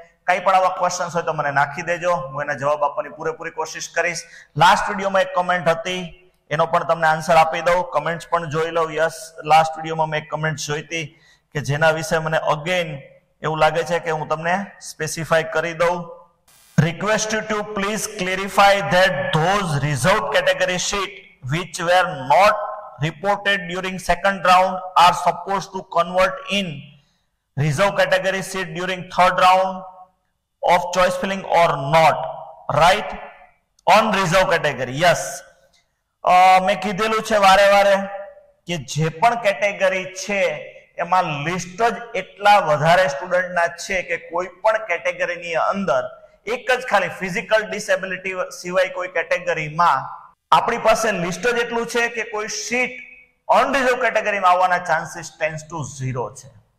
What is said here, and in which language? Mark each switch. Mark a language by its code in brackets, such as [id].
[gu] કઈ પણ આવા ક્વેશ્ચન હોય તો મને નાખી દેજો, હું એના જવાબ આપવાની પૂરેપૂરી કોશિશ કરીશ. લાસ્ટ વિડીયોમાં એક કોમેન્ટ હતી એનો પણ તમને આન્સર આપી દઉં, કમેન્ટ પણ જોઈ લઉં. યસ, લાસ્ટ વિડીયોમાં મેં એક કમેન્ટ જોઈ હતી કે જેના વિશે મને અગેન એવું લાગે છે કે હું તમને સ્પેસિફાઈ કરી દઉં. [en] Request you to please clarify that those reserved category sheet which were not reported during second round are supposed to convert in reserved category sheet during third round of choice filling or not, right? On reserved category, yes. [gu] મેં કીધેલું છે વારે વારે કે જે પણ category છે એમાં લિસ્ટ જ એટલા વધારે સ્ટુડન્ટના છે કે કોઈ પણ કેટેગરીની અંદર એક જ ખાલી ફિઝિકલ ડિસેબિલિટી સિવાય કોઈ કેટેગરીમાં આપણી પાસે લિસ્ટ જ એટલું છે કે કોઈ સીટ અનરિઝર્વ કેટેગરીમાં આવવાના ચાન્સીસ ટેન્સ ટુ ઝીરો છે.